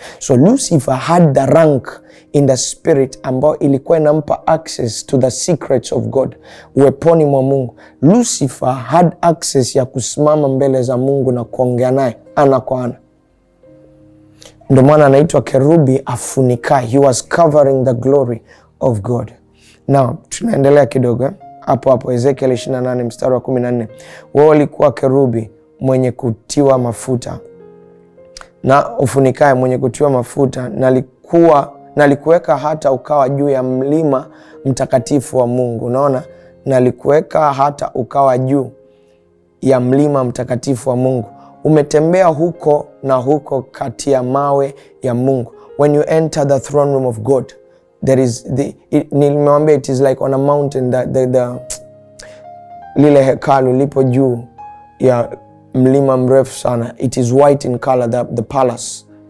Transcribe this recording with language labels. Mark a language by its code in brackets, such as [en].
[en] So Lucifer had the rank in the spirit [sw] ambao ilikuwa inampa [en] access to the secrets of God, [sw] weponi mwa Mungu. [en] Lucifer had access [sw] ya kusimama mbele za Mungu na kuongea naye ana kwa ana. Ndio maana anaitwa kerubi afunika. [en] He was covering the glory of God. [sw] Now, tunaendelea kidogo. Hapo hapo Ezekiel 28 mstari wa 14. Wao walikuwa kerubi mwenye kutiwa mafuta na ufunikaye, mwenye kutiwa mafuta, nalikuweka hata ukawa juu ya mlima mtakatifu wa Mungu. Unaona, nalikuweka hata ukawa juu ya mlima mtakatifu wa Mungu. Umetembea huko na huko kati ya mawe ya Mungu. [en] When you enter the throne room of God, there is [sw] nilimwambia [en] it is like on a mountain, that the [sw] lile hekalu lipo juu ya mlima mrefu sana. [en] It is white in color, the palace.